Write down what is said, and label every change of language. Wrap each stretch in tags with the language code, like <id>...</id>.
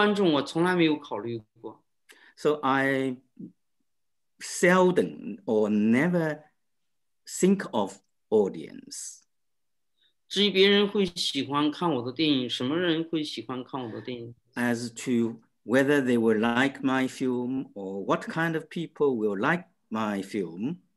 <zh>其实对于观众我从来没有考虑过。</zh> <en>So I seldom or never think of audience.</en> <zh>至于别人会喜欢看我的电影，什么人会喜欢看我的电影？</zh> <en>As to whether they will like my film or what kind of people will like my film.</en>